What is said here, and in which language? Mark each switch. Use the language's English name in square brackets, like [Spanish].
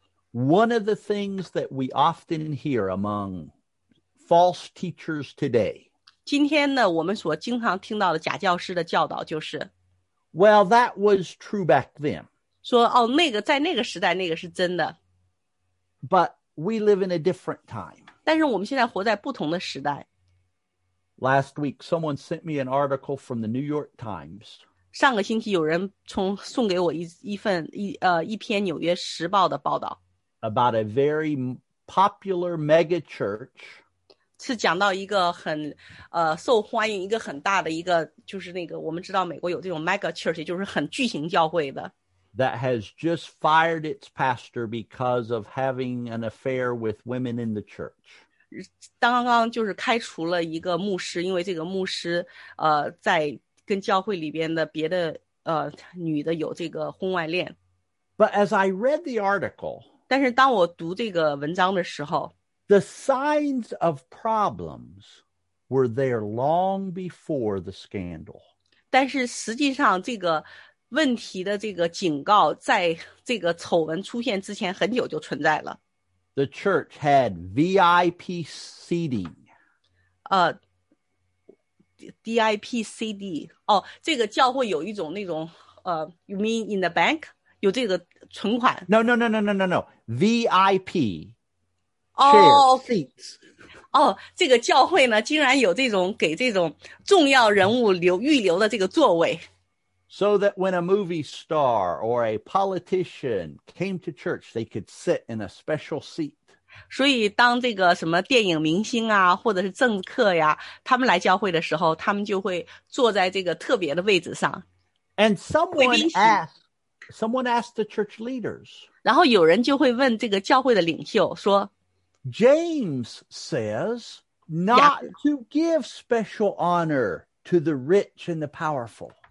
[English] One of the things that we often hear among false teachers today. [Chinese] 今天呢，我们所经常听到的假教师的教导就是 [English] Well, that was true back then. [Chinese] 说哦，那个在那个时代那个是真的。 [English] But we live in a different time. [Chinese] 但是我们现在活在不同的时代。 [English] Last week, someone sent me an article from the New York Times. [Chinese] 上个星期有人送给我一篇纽约时报的报道。 [English] About a very popular mega church. [Chinese] 是讲到一个很受欢迎一个很大的一个就是那个我们知道美国有这种 mega church 就是很巨型教会的。 [English] That has just fired its pastor because of having an affair with women in the church. [Chinese] 刚刚就是开除了一个牧师，因为这个牧师在跟教会里边的别的女的有这个婚外恋。 [English] But as I read the article, [Chinese] 但是当我读这个文章的时候 [English] ，the signs of problems were there long before the scandal. [Chinese] 但是实际上这个。问题的这个警告在这个丑闻出现之前很久就存在了。 [English] The church had VIP seating. [Chinese] DIP CD. 哦，这个教会有一种那种 [English] you mean in the bank? [Chinese] 有这个存款。 [English] No. VIP. Seats. [Chinese] 哦，这个教会呢竟然有这种给这种重要人物预留的这个座位。 [English] So that when a movie star or a politician came to church, they could sit in a special seat. [Chinese] 所以当这个什么电影明星啊，或者是政客呀，他们来教会的时候，他们就会坐在这个特别的位置上。 [English] And someone asked the church leaders. [Chinese] 然后有人就会问这个教会的领袖说 [English] James says not to give special honor to the rich and the powerful.